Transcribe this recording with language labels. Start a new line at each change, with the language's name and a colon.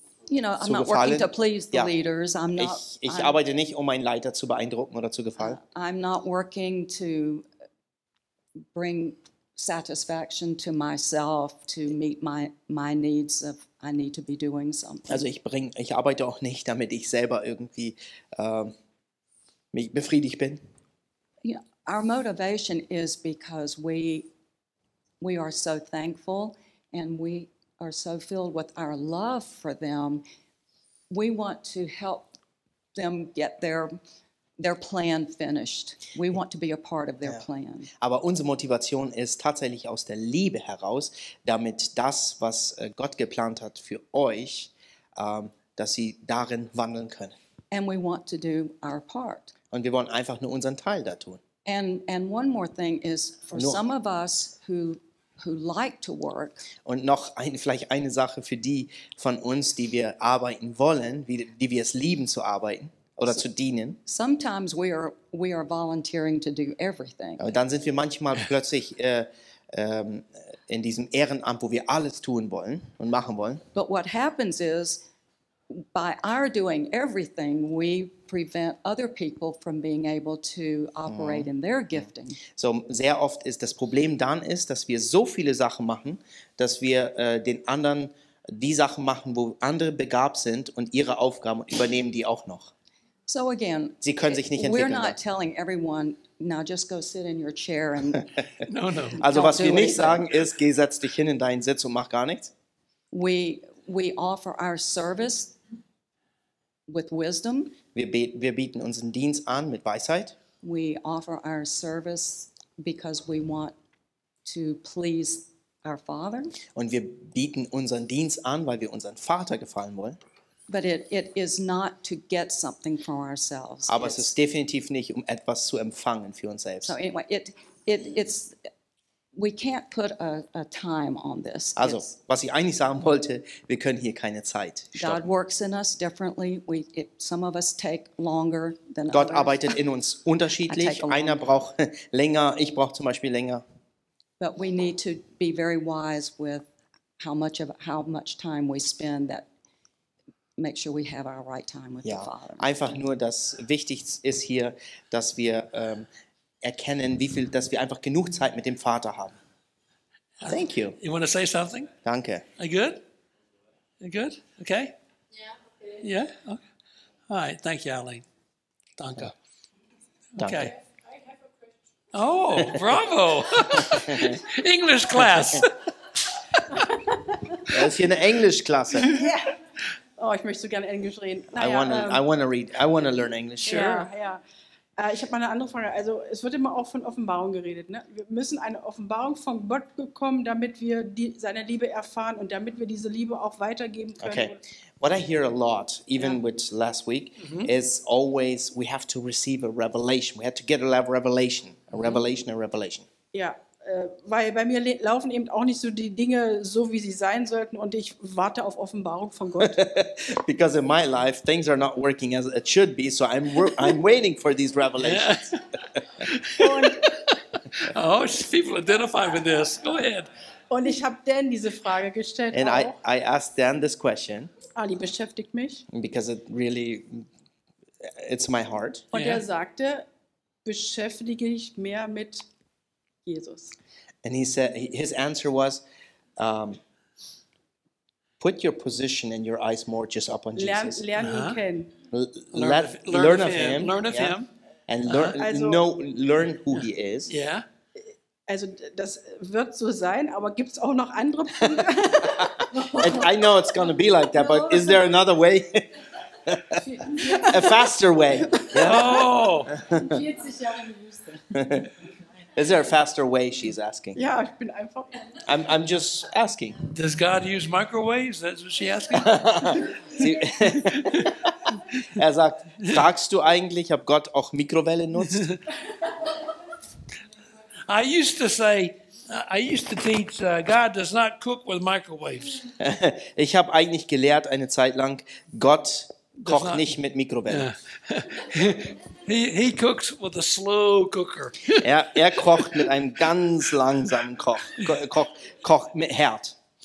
English: you know, I'm not working to please the leaders. I'm not.
German: Ich arbeite nicht, um meinen Leiter zu beeindrucken oder zu gefallen.
English: I'm not working to bring satisfaction to myself to meet my needs of I need to be doing something.
German: Also ich arbeite auch nicht, damit ich selber irgendwie mich befriedigt bin.
English: Yeah, our motivation is because we are so thankful and we are so filled with our love for them, we want to help them get their plan finished. We want to be a part of their plan.
German: Aber unsere Motivation ist tatsächlich aus der Liebe heraus, damit das, was Gott geplant hat für euch, dass sie darin wandeln können.
English: And we want to do our part.
German: Und wir wollen einfach nur unseren Teil da tun.
English: And one more thing is for some of us who like to work.
German: Und noch vielleicht eine Sache für die von uns, die wir arbeiten wollen, die wir es lieben zu arbeiten oder zu dienen.
English: Sometimes we are volunteering to do everything.
German: Aber dann sind wir manchmal plötzlich in diesem Ehrenamt, wo wir alles tun wollen und machen wollen.
English: But what happens is by our doing everything, we prevent other people from being able to operate in their gifting.
German: So sehr oft ist das Problem dann ist, dass wir so viele Sachen machen, dass wir den anderen die Sachen machen, wo andere begabt sind und ihre Aufgaben übernehmen die auch noch.
English: So again,
German: sie können sich nicht entwickeln.
English: We're not telling everyone, now just go sit in your chair and no.
German: Also was wir nicht sagen ist, geh setz dich hin in deinen Sitz und mach gar nichts.
English: We offer our service with wisdom.
German: Wir bieten unseren Dienst an mit Weisheit.
English: We offer our service because we want to please our Father.
German: Und wir bieten unseren Dienst an, weil wir unseren Vater gefallen wollen.
English: But it is not to get something for ourselves.
German: Aber es ist definitiv nicht, um etwas zu empfangen für uns selbst.
English: So anyway, it's we can't put a time on this.
German: Also, was ich eigentlich sagen wollte, wir können hier keine Zeit stoppen.
English: God works in us differently. Some of us take longer than others.
German: Gott arbeitet in uns unterschiedlich. Einer braucht länger, ich brauche zum Beispiel länger.
English: But we need to be very wise with how much time we spend, that make sure we have our right time with the Father.
German: Ja, einfach nur das Wichtigste ist hier, dass wir erkennen, wie viel, dass wir einfach genug Zeit mit dem Vater haben.
English: Thank you. You want to say something?
German: Danke.
English: Are you good? You good? Okay? Yeah. Okay. Yeah? Okay. All right. Thank you, Arlene. Danke.
German: Danke. Okay.
English: I have a question. Oh, bravo. English class.
German: Das ist hier eine Englischklasse. Yeah. Oh, ich möchte so gerne Englisch reden. Naja,
English: I want to learn English. Sure. Yeah, yeah.
German: Ich habe mal eine andere Frage. Also es wird immer auch von Offenbarung geredet. Ne? Wir müssen eine Offenbarung von Gott bekommen, damit wir seine Liebe erfahren und damit wir diese Liebe auch weitergeben können.
English: Okay. What I hear a lot, even with last week, is always we have to receive a revelation. We have to get a revelation. A revelation, a revelation.
German: Ja, weil bei mir laufen eben auch nicht so die Dinge so, wie sie sein sollten und ich warte auf Offenbarung von Gott.
English: Because in my life things are not working as it should be, so I'm waiting for these revelations. Yeah. Und, oh, people identify with this. Go ahead.
German: Und ich habe Dan diese Frage gestellt.
English: And I asked Dan this question.
German: Ali beschäftigt mich.
English: Because it really, it's my heart.
German: Und er sagte, beschäftige ich mehr mit Jesus.
English: And he said, his answer was, put your position and your eyes more just up on Jesus. Learn him. Learn of him. Learn of him. And learn who he is. Yeah.
German: Also das wird so sein, aber gibt's auch noch andere
English: Punkte? I know it's going to be like that, but is there another way? A faster way. Oh.
German: 40 Jahre in der Wüste.
English: Is there a faster way, she's asking?
German: Yeah, ich bin einfach.
English: I'm just asking. Does God use microwaves? That's what she asking.
German: Sie, er sagt, fragst du eigentlich, ob Gott auch Mikrowelle nutzt?
English: I used to teach God does not cook with microwaves.
German: Ich habe eigentlich gelehrt eine Zeit lang, Gott kocht nicht mit Mikrowelle.
English: He cooks with a slow cooker.
German: Er kocht mit einem ganz langsamen Koch mit Herd.